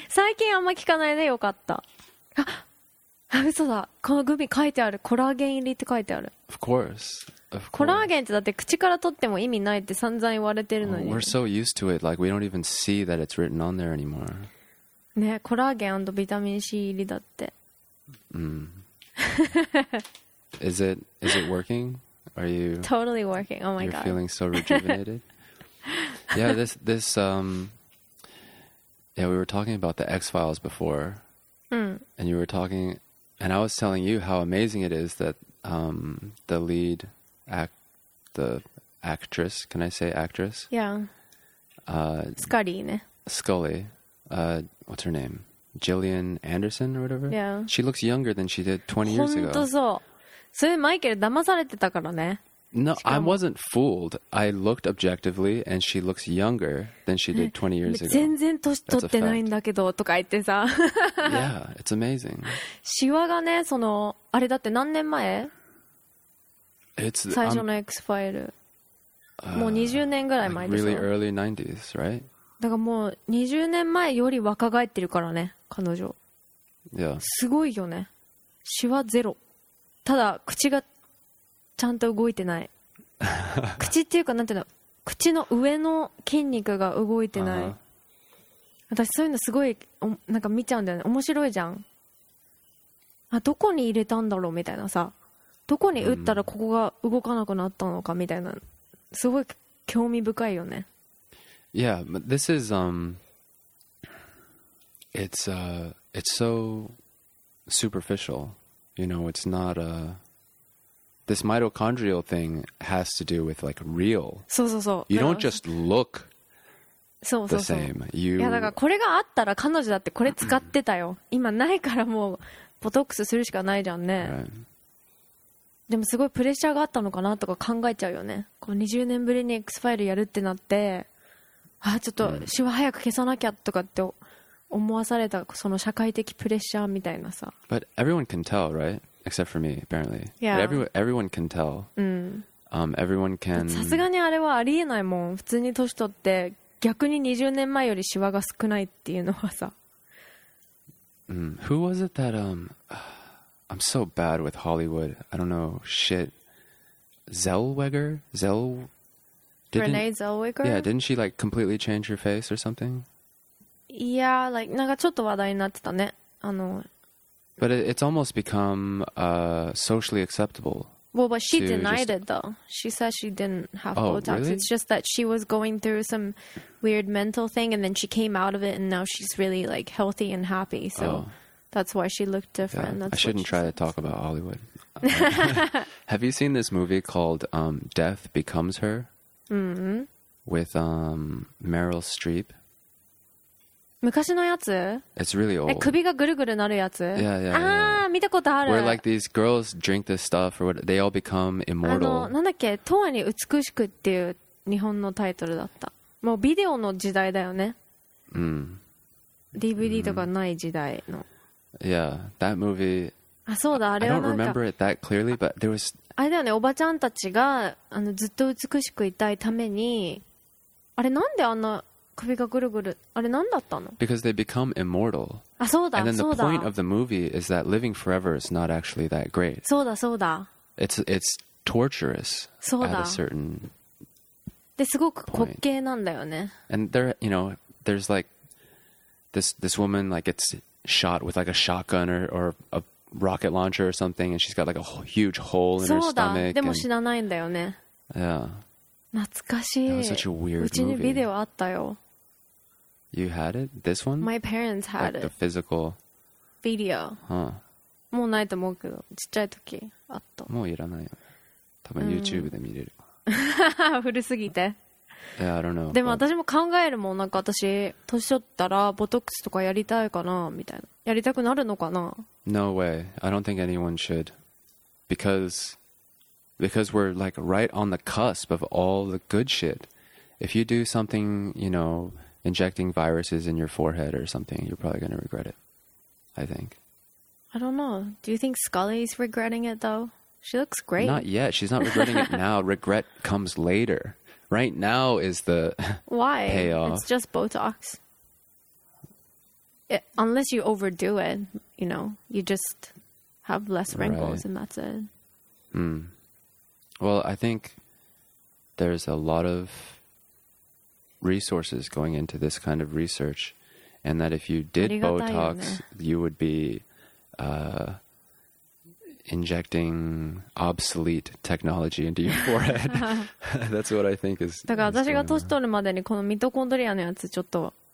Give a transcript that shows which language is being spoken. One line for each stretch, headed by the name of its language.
Japanese: 最近あんま聞かないね。よかった。あ、嘘だ。このグミ書いてある。コラーゲン入りって書いてある。
English: Of course.
Japanese: コラーゲンってだって口から取っても意味ないって散々言われてるのに。
English: We're so used to it, like we don't even see that it's written on there anymore.
Japanese: ね、コラーゲン&ビタミン C 入りだって。
English: Is it working? Are you totally working? Oh my you're god! You're feeling so rejuvenated. yeah, this yeah, we were talking about the X-Files before,、 mm. and you were talking, and I was telling you how amazing it is that the lead. The actress, can I say actress? Yeah. Scully, ne? Scully. What's her name? Gillian Anderson or whatever? Yeah. She looks younger than she did 20 years ago.
Japanese: 本当そう。それマイケル騙されてたからね。
English: No, I wasn't fooled. I looked objectively and she looks younger than she did 20 years ago.
Japanese: 全然年取ってないんだけどとか言ってさ。
English: yeah, it's amazing.
Japanese: シワがね、その、あれだって何年前?
English: It's,
Japanese: 最初の X-File もう20年ぐらい前でしょ、
English: really early 90s, right?
Japanese: だからもう20年前より若返ってるからね彼女、
English: yeah.
Japanese: すごいよねシワゼロただ口がちゃんと動いてない口っていうかなんていうの口の上の筋肉が動いてない、uh-huh. 私そういうのすごいなんか見ちゃうんだよね面白いじゃんあどこに入れたんだろうみたいなさどこに打ったらここが動かなくなったのかみたいな、すごい興味深いよね。
English: Yeah, but this is it's so superficial. You know, it's not a this mitochondrial thing has to do with like real.
Japanese: そうそうそう。
English: You don't just look
Japanese: そうそうそう
English: the same. You
Japanese: いやだからこれがあったら彼女だってこれ使ってたよ。今ないからもうボトックスするしかないじゃんね。
English: Right.
Japanese: でもすごいプレッシャーがあったのかなとか考えちゃうよね。こう20年ぶりに X ファイルやるってなって、あちょっとシワ早く消さなきゃとかって思わされたその社会的プレッシャーみたいなさ。
English: But everyone can tell, right? Except for me, apparently. Yeah. But everyone can tell.
Japanese: うん。
English: Everyone can.
Japanese: さすがにあれはありえないもん。普通に年取って逆に20年前よりシワが少ないっていうのはさ、 mm.
English: Who was it that I'm so bad with Hollywood. I don't know shit. Zellweger? Renee Zellweger? Yeah, didn't she like completely change her face or something? Yeah, like
Japanese: なんかちょっと話題になってたね。
English: But it's almost become socially acceptable. Well, but she denied it though. She said she didn't have Botox. Really? It's just that she was going through some weird mental thing and then she came out of it and now she's really like healthy and happy. So that's why she looked different. Yeah, I shouldn't try said. To talk about Hollywood. Have you seen this movie called Death Becomes Her? Mm-hmm. With Meryl Streep?
Japanese: 昔のやつ?
English: It's really old.
Japanese: 首がぐるぐるなるやつ?
English: Yeah, yeah, yeah.
Japanese: ああ、見たことある。
English: Where like these girls drink this stuff or what, they all become immortal.
Japanese: あの、なんだっけ? 永遠に美しくっていう日本のタイトルだった。もうビデオの時代だよね。うん。 DVD とかない時代の。
English: Yeah, that movie.
Japanese: あ、そうだ、あれはなんか。
English: I don't remember it that clearly, but there was.
Japanese: あれだよね、おばちゃんたちがあのずっと美しくいたいために、あれなんであんな。首がぐるぐる、あれ何だったの?
English: Because they become immortal.
Japanese: あ、そうだ、そうだ。
English: And then the point of the movie is that living forever is not actually that great.
Japanese: そうだ、そうだ。
English: It's torturous at a certain
Japanese: で、すごく滑稽なんだよね。
English: And there, you know, there's like this woman like gets shot with like a shotgun or a rocket launcher or something and she's got like a huge hole in her stomach.
Japanese: でも死なないんだよね。
English: Yeah.
Japanese: 懐かしい。
English: That was such a weird movie.
Japanese: うちにビデオあったよ。
English: You had it? This one? My parents had it. Like the physical video. Huh.
Japanese: もうないと思うけど、ちっちゃい時あった。もういらないよ。多分 YouTube で見れる。古すぎて。
English: Yeah, I don't know.
Japanese: でも私も考えるもん、なんか私、年取ったらボトックスとかやりたいかな、みたいな。やりたくなるのかな?
English: No way. I don't think anyone should. Because we're like right on the cusp of all the good shit. If you do something, you know, injecting viruses in your forehead or something, you're probably going to regret it, I think. I don't know. Do you think Scully's regretting it, though? She looks great. Not yet. She's not regretting it now. Regret comes later. Right now is the Why? payoff. It's just Botox. Unless you overdo it, you know, you just have less wrinkles and that's it. Hmm. Well, I think there's a lot of resources going into this kind of research, and that if you did Botox, you would be injecting obsolete technology into your forehead. That's what I think is.
Japanese: だから私が年取るまでにこのミトコンドリアのやつちょっと。